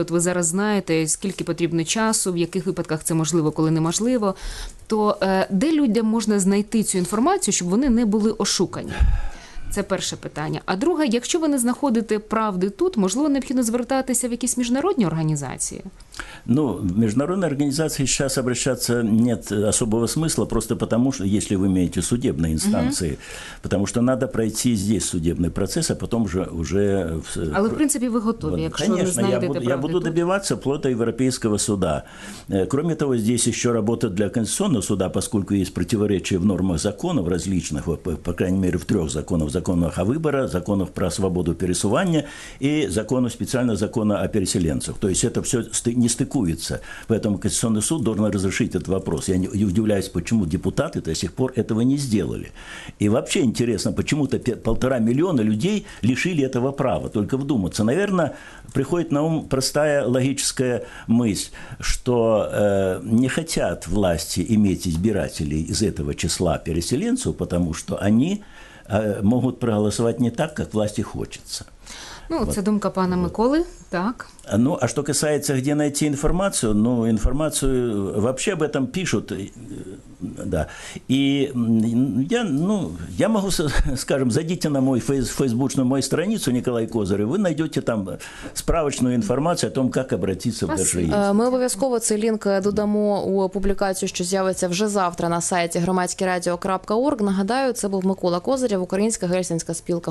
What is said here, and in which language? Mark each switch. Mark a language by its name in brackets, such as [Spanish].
[Ukrainian] От ви зараз знаєте, скільки потрібно часу, в яких випадках це можливо, коли неможливо. То де людям можна знайти цю інформацію, щоб вони не були ошукані? Це перше питання. А друге, якщо ви не знаходите правди тут, можливо, необхідно звертатися в якісь міжнародні організації? [Russian] Ну, в международные организации сейчас обращаться нет особого смысла, просто потому что, если вы имеете судебные инстанции, угу. потому что надо пройти здесь судебный процесс, а потом же уже... [Ukrainian] Але, [Russian] в принципе, вы готовы, вот, [Ukrainian] якщо [Russian] конечно, вы знаете, я буду добиваться вплоть до Европейского суда. Кроме того, здесь еще работа для Конституционного суда, поскольку есть противоречия в нормах законов различных, по крайней мере, в трех законах. Законах о выборах, законах про свободу пересувания и закону, специально закона о переселенцах. То есть это все не стыкуется. Поэтому Конституционный суд должен разрешить этот вопрос. Я не удивляюсь, почему депутаты до сих пор этого не сделали. И вообще интересно, почему-то 1,5 миллиона людей лишили этого права. Только вдуматься. Наверное, приходит на ум простая логическая мысль, что не хотят власти иметь избирателей из этого числа переселенцев, потому что они могут проголосовать не так, как власти хочется. [Ukrainian] Ну, вот. Це думка пана Миколи, так. [Russian] Ну, а что касается, где найти информацию, ну, информацию вообще об этом пишут, да. И я, ну, я могу, скажем, зайдите на мой фейсбучную, мою страницу, Николай Козырев, вы найдете там справочную информацию о том, как обратиться в ДШИ. [Ukrainian] Мы обов'язково цей лінк додамо у публікацію, що з'явиться вже завтра на сайті громадськірадіо.орг. Нагадаю, це був Микола Козырев, Українська Гельсінська спілка.